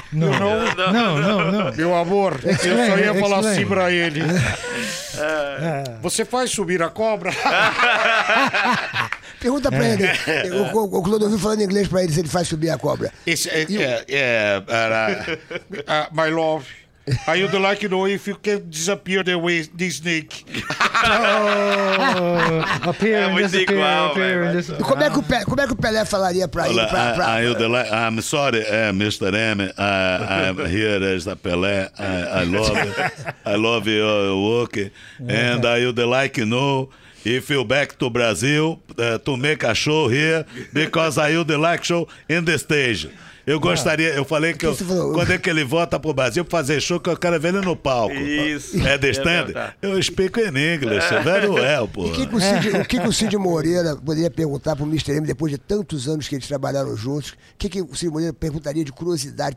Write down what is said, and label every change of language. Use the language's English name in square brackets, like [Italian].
[Portuguese] Não, [English] you know? [Portuguese] Não. Meu amor, explain, eu só ia falar assim para ele. Você faz subir a cobra? Pergunta para ele. O Clodovil falando inglês para ele, se ele faz subir a cobra. [English] My love. I would like to know if you can disappear the way the snake. Appear and disappear. Igual, appear and disappear. [Portuguese] Como é que o Pelé falaria para ele? [English] I'm sorry, Mr. M. I'm here as the Pelé. I love your work. Yeah. And I would like to know if you back to Brazil to make a show here because I would like show in the stage. [Portuguese] Eu gostaria, eu falei que quando é que ele volta pro Brasil pra fazer show, que eu quero ver ele no palco. Isso. É de stand? Eu explico em inglês, velho pô. O que o Cid Moreira poderia perguntar pro Mr. M depois de tantos anos que eles trabalharam juntos? O que o Cid Moreira perguntaria de curiosidade?